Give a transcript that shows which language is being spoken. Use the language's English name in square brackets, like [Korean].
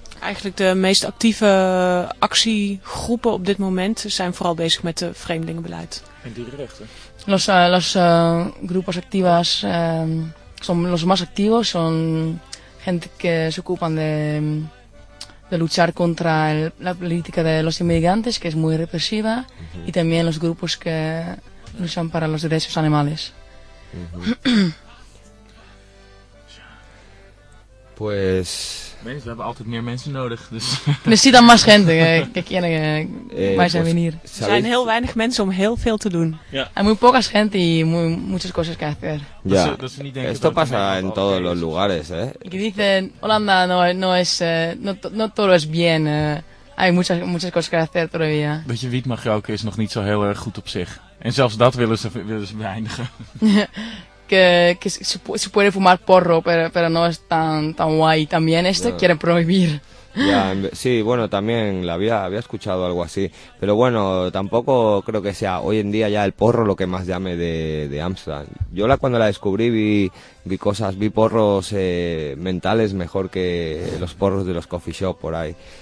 [Dutch] Eigenlijk de meest actieve actiegroepen op dit moment zijn vooral bezig met de vreemdelingenbeleid. En dierenrechten. [Spanish] Los grupos activas son los más activos, son gente que se ocupan de luchar contra la política de los inmigrantes, que es muy represiva, uh-huh, y también los grupos que luchan para los derechos animales. Pues [Dutch] mensen, we hebben altijd meer mensen nodig, dus [Spanish] necesitan más gente que quieren más pues, venir. [Dutch] Er zijn heel weinig mensen om heel veel te doen. Ja. [Spanish] Hay muy poca gente y muchas cosas que hacer. Ya. Esto pasa en todos los lugares, ¿eh? Que dicen, Holanda no todo es bien. Hay muchas cosas que hacer todavía. [Dutch] Beetje wiet mag roken is nog niet zo heel erg goed op zich. En zelfs dat willen ze beëindigen. [Spanish] que se puede fumar porro, pero no es tan guay. También este no. Quieren prohibir. Ya, sí, bueno, también la había escuchado algo así. Pero bueno, tampoco creo que sea hoy en día ya el porro lo que más llame de Amsterdam. Yo cuando la descubrí vi porros mentales mejor que los porros de los coffee shop por ahí.